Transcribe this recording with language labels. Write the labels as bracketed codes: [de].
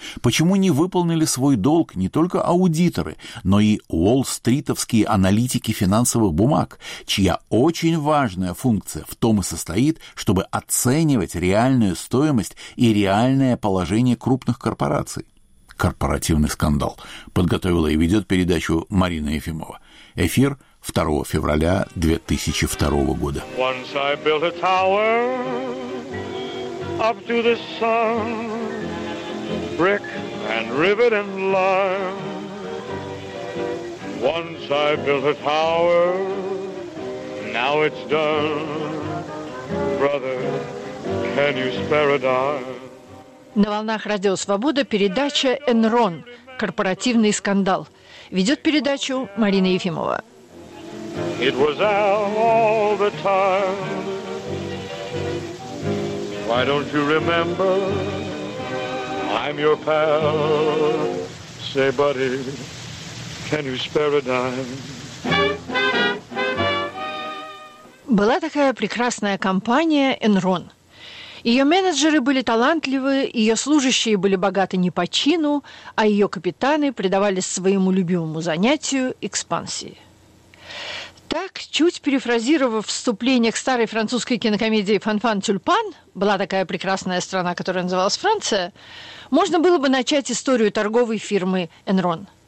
[ru] Почему не выполнили свой долг не только аудиторы, но и уолл-стритовские аналитики финансовых бумаг, чья очень важная функция в том и состоит, чтобы оценивать реальную стоимость и реальное положение крупных корпораций? «Корпоративный скандал» подготовила и ведет передачу Марина Ефимова. Эфир 2 февраля 2002 года. [en] Once I built a tower up to the sun, brick and rivet and lime. Once I built a tower, now it's done. Brother, can you spare a dime? [ru] На волнах Радио Свобода передача «Enron. Корпоративный скандал». Ведет передачу Марина Ефимова. [en] It was all the time. Why don't you remember? I'm your pal. Say, buddy, can you spare a dime? [ru] Была такая прекрасная компания Enron. Ее менеджеры были талантливы, ее служащие были богаты не по чину, а ее капитаны предавались своему любимому занятию – экспансии. Так, чуть перефразировав вступление к старой французской кинокомедии «Фанфан Тюльпан», была такая прекрасная страна, которая называлась Франция, можно было бы начать историю торговой фирмы «Энрон».